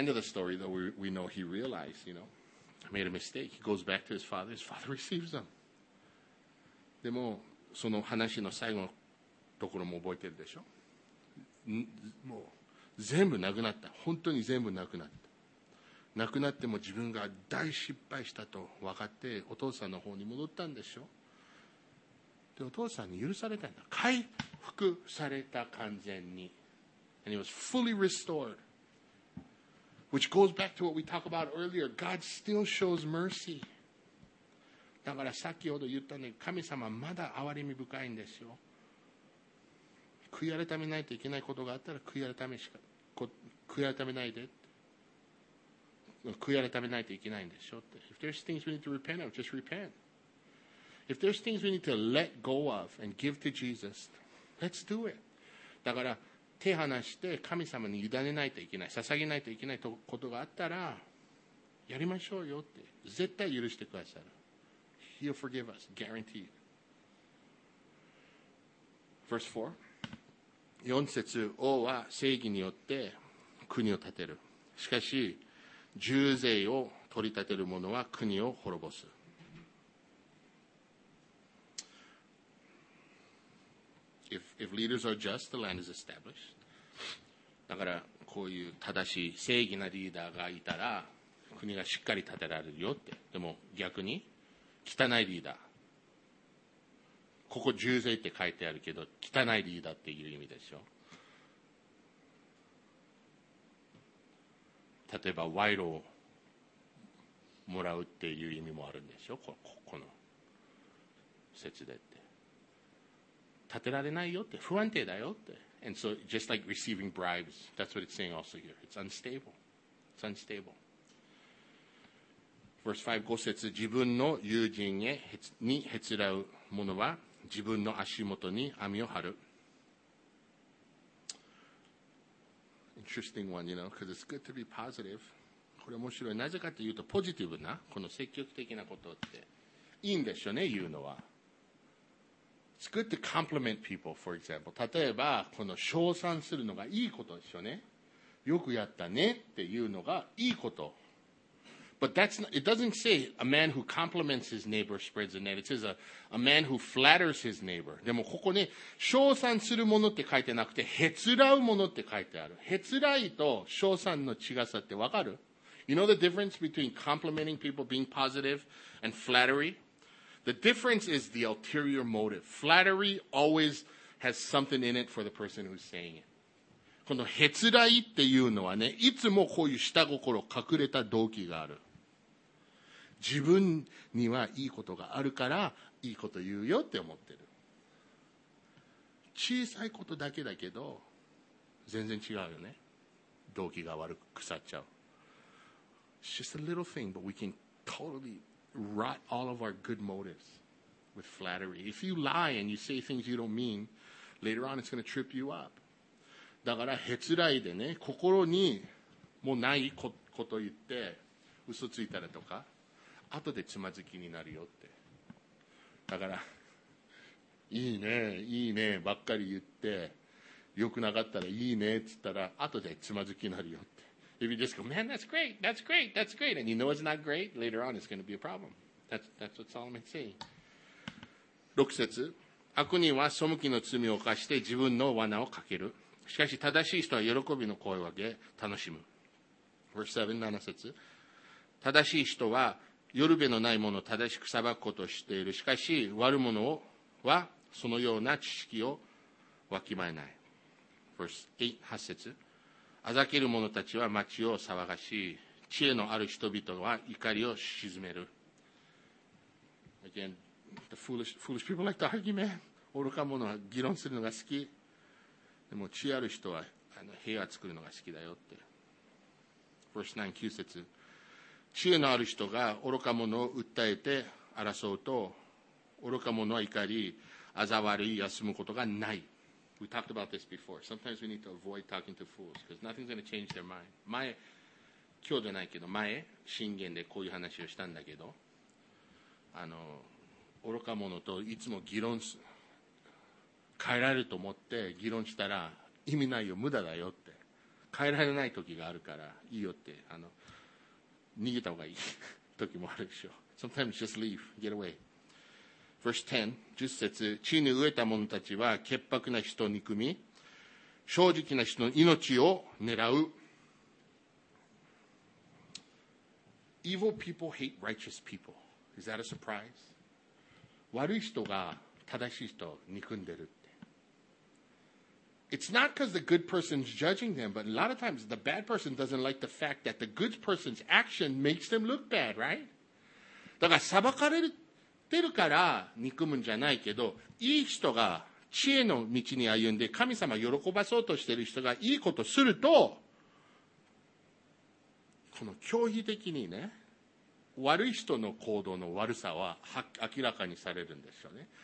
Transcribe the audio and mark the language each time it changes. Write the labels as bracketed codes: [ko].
[en] End of the story though, we know he realized, you know, I made a mistake. He goes back to his father receives him. [ja] でもその話の最後のところも覚えてるでしょ。もう全部なくなった。本当に全部なくなった。なくなっても自分が大失敗したと分かってお父さんの方に戻ったんでしょ。でお父さんに許されたんだ。回復された完全に。 [en] And he was fully restored. Which goes back to what we talked about earlier. God still shows mercy. [ja] だから先ほど言ったね、神様まだ憐れみ深いんですよ。悔い改めないといけないことがあったら悔い改めしか、悔い改めないで。悔い改めないといけないんでしょって。 [en] If there's things we need to repent of, just repent. If there's things we need to let go of and give to Jesus, let's do it. [ja] だから手離して神様に委ねないといけない、捧げないといけないことがあったらやりましょうよって。絶対許してくださる。 [en] He'll forgive us, guaranteed. Verse 4. [ja] 4節、王は正義によって国を建てる。しかし重税を取り立てる者は国を滅ぼす。 [en] If leaders are just, the land is established. [ja] だからこういう正しい正義なリーダーがいたら国がしっかり建てられるよって。でも逆に汚いリーダー、ここ重税って書いてあるけど汚いリーダーっていう意味でしょ。例えば賄賂をもらうっていう意味もあるんでしょ、この説でって。立てられないよって、不安定だよって。 [en] And so just like receiving bribes, that's what it's saying also here. It's unstable. It's unstable. Verse 5, [ja] 5節、自分の友人へにへつらう者は自分の足元に網を張る。 [en] Interesting one, you know, because it's good to be positive. [ja] これ面白い。なぜかというと、ポジティブな、この積極的なことって、いいんでしょうね、言うのは。 [en] It's good to compliment people, for example. [ja] 例えば、この称賛するのがいいことでしょうね。よくやったねっていうのがいいこと。 [en] But that's not, it doesn't say a man who compliments his neighbor spreads a net. It says a man who flatters his neighbor. [ja] でもここね、称賛するものって書いてなくて、へつらうものって書いてある。へつらいと称賛の違さってわかる？ [en] You know the difference between complimenting people, being positive, and flattery? The difference is the ulterior motive. Flattery always has something in it for the person who's saying it. [ja] このへつらいっていうのはね、いつもこういう下心隠れた動機がある。自分にはいいことがあるからいいこと言うよって思ってる。小さいことだけだけど全然違うよね。動機が悪く腐っちゃう。 [en] It's just a little thing, but we can totally rot all of our good motives with flattery. If you lie and you say things you don't mean, later on it's going to trip you up. [ja] だからへつらいでね、心にもうないこと言って嘘ついたらとか、後でつまずきになるよって。だからいいねいいねばっかり言って良くなかったらいいねっつったら後でつまずきになるよって。 [en] If you just go, man, that's great, that's great, that's great, and you know it's not great, later on it's going to be a problem. That's what Solomon's saying. [ja] 6節、悪人は背きの罪を犯して自分の罠をかける。しかし正しい人は喜びの声を上げ楽しむ。 [en] Verse 7, [ja] 7節、正しい人はよるべのないものを正しく裁くことをしている。しかし悪者はそのような知識をわきまえない。 [en] Verse 8, [ja] 8節、あざける者たちは町を騒がし、知恵のある人々は怒りを鎮める。 [en] Again, the foolish people like to argue, man. [ja] 愚か者は議論するのが好き。でも知恵ある人は平和作るのが好きだよって。 [en] Verse 9, [ja] 9節、知恵のある人が愚か者を訴えて争うと、愚か者は怒り、あざ悪い、休むことがない。 [en] We talked about this before. Sometimes we need to avoid talking to fools because nothing's going to change their mind. [ja] 前、今日じゃないけど前、信玄でこういう話をしたんだけど、愚か者といつも議論する、変えられると思って議論したら意味ないよ、無駄だよって。変えられない時があるからいいよって、逃げた方がいい時もあるでしょ。 [en] Sometimes just leave, get away. Verse 10, [ja] 10節、地に飢えた者たちは潔白な人を憎み、正直な人の命を狙う。 [en] Evil people hate righteous people. Is that a surprise? [ja] 悪い人が正しい人を憎んでるって。 [en] It's not because the good person's judging them, but a lot of times the bad person doesn't like the fact that the good person's action makes them look bad, right? [ja] だから裁かれてるから憎むんじゃないけど、いい人が知恵の道に歩んで神様を喜ばそうとしてる人がいいことすると、この教義的にね、悪い人の行動の悪さは明らかにされるんですよね。